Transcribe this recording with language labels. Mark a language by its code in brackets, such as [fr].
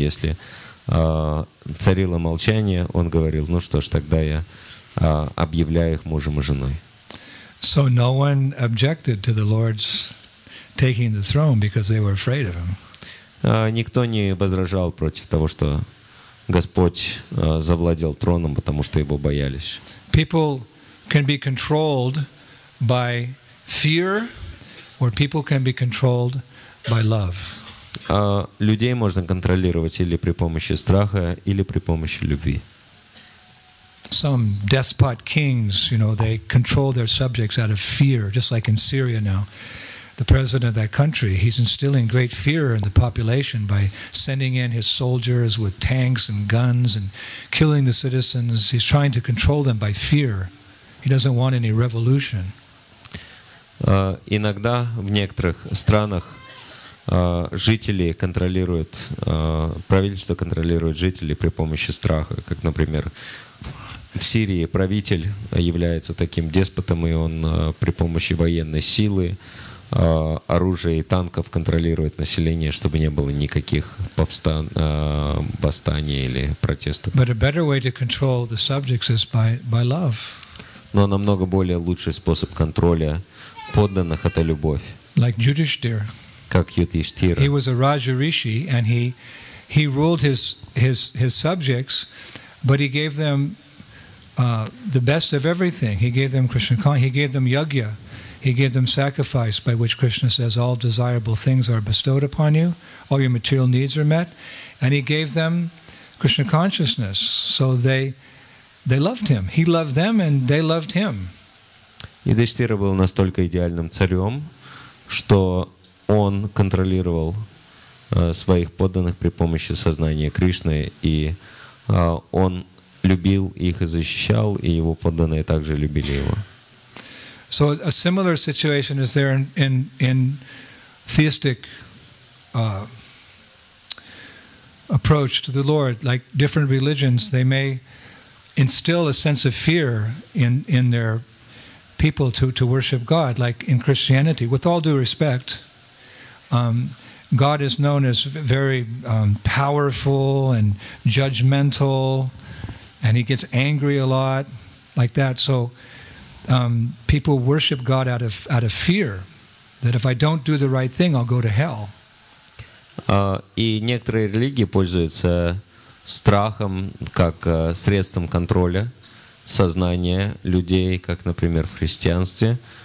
[ru] Если царило молчание, он говорил, ну что ж, тогда я объявляю их мужем и женой. [en] So no one objected to the Lord's taking the throne because they were afraid of him. [ru] Никто не возражал против того, что Господь завладел троном, потому что его боялись. [en] People can be controlled by fear, or people can be controlled by love. [ru] Людей можно контролировать или при помощи страха, или при помощи любви. [en] Some despot kings, you know, they control their subjects out of fear, just like in Syria now. The president of that country, he's instilling great fear in the population by sending in his soldiers with tanks and guns and killing the citizens. He's trying to control them by fear. He doesn't want any revolution. [ru] Иногда в некоторых странах жители контролируют, правительство контролирует жителей при помощи страха, как, например, в Сирии правитель является таким деспотом, и он при помощи военной силы оружие и танков контролировать население, чтобы не было никаких восстаний или протестов. [en] But a better way to control the subjects is by love. [ru] Но намного более лучший способ контроля подданных — это любовь. [en] Like Yudhishthira. [ru] Как Юдхиштхира. [en] He was a Raja Rishi, and he ruled his subjects, but he gave them the best of everything. He gave them Krishna consciousness. He gave them yajna. He gave them sacrifice by which Krishna says all desirable things are bestowed upon you, all your material needs are met, and he gave them Krishna consciousness, so they They loved him. He loved them, and they loved him. [ru] Юдиштира был настолько идеальным царем, что он контролировал своих подданных при помощи сознания Кришны, и он любил их и защищал, и его подданные также любили его. [en] So a similar situation is there in theistic approach to the Lord. Like different religions, they may instill a sense of fear in their people to worship God. Like in Christianity, with all due respect, God is known as very powerful and judgmental, and he gets angry a lot, like that. So people worship God out of fear, that if I don't do the right thing, I'll go to hell. [ru] И некоторые религии пользуются страхом как средством контроля сознания людей, как, например, в христианстве.